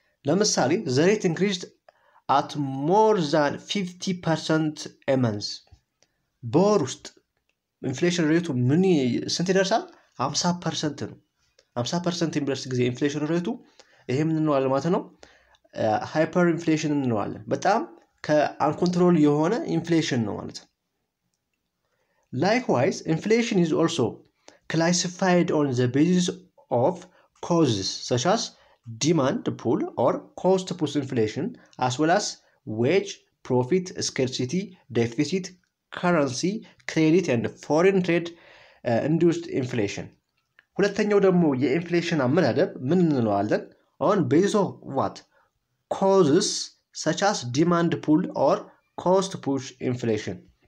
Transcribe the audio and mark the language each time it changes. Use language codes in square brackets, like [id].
[am] ለምሳሌ [en] the rate increased at more than 50% a month [am] በወር ውስጥ inflation rateው ምን ስንት ይደርሳል 50% ነው 50% ኢንፍሌሽን ግዜ inflation rateው ይሄ ምን እንለዋለን ማለት ነው hyperinflation እንለዋለን በጣም ከአንኮንትሮል የሆነ inflation ነው ማለት [en] likewise inflation is also classified on the basis of causes such as demand pull or cost push inflation as well as wage profit scarcity deficit currency, credit and foreign trade induced inflation. [am] ሁለተኛው ደግሞ የኢንፍሌሽን አመዳደብ ምን እንለዋለን? [en] On basis of what? Causes such as demand pull or cost push inflation.